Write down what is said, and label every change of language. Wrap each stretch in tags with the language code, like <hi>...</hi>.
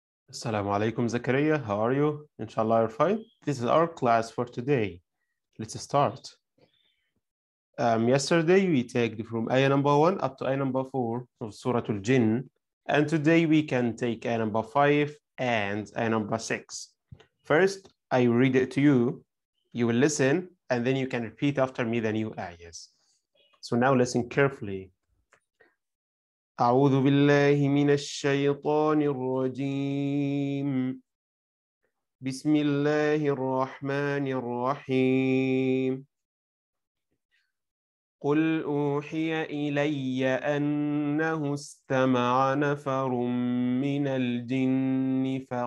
<ar>السلام عليكم</ar> <en>زكريا, how are you? Inshallah you're fine. This is our class for today. Let's start. Yesterday we take from ayah number 1 up to ayah number 4 of Surah Al-Jinn. And today we can take ayah number 5 and ayah number 6. First, I read it to you. You will listen and then you can repeat after me the new ayahs. So now listen carefully.</en> <ar>أعوذ بالله من الشيطان الرجيم بسم الله الرحمن الرحيم قل أوحي إلي أنه استمع نفر من الجن</ar>